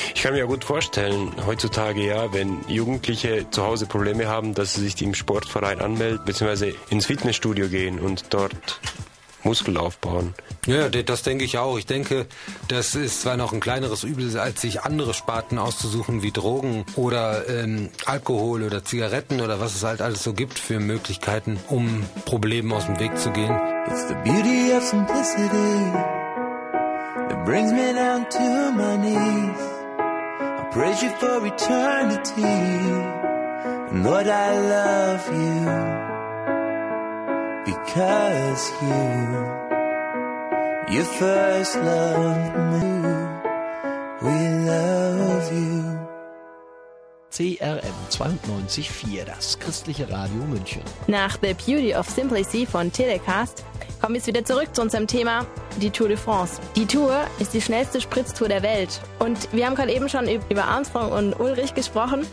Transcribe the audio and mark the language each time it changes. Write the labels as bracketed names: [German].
[German] Ich kann mir ja gut vorstellen, heutzutage ja, wenn Jugendliche zu Hause Probleme haben, dass sie sich im Sportverein anmelden, beziehungsweise ins Fitnessstudio gehen und dort Muskel aufbauen. Ja, das denke ich auch. Ich denke, das ist zwar noch ein kleineres Übel, als sich andere Sparten auszusuchen, wie Drogen oder Alkohol oder Zigaretten oder was es halt alles so gibt für Möglichkeiten, um Problemen aus dem Weg zu gehen. [English] It's the beauty of simplicity that brings me down to my knees. I praise you for eternity and Lord, I love you. Because you first loved me, we love you. [German] CRM 92.4, das christliche Radio München. Nach The Beauty of Simplicity von Telecast kommen wir jetzt wieder zurück zu unserem Thema, die Tour de France. Die Tour ist die schnellste Spritztour der Welt. Und wir haben gerade eben schon über Armstrong und Ullrich gesprochen.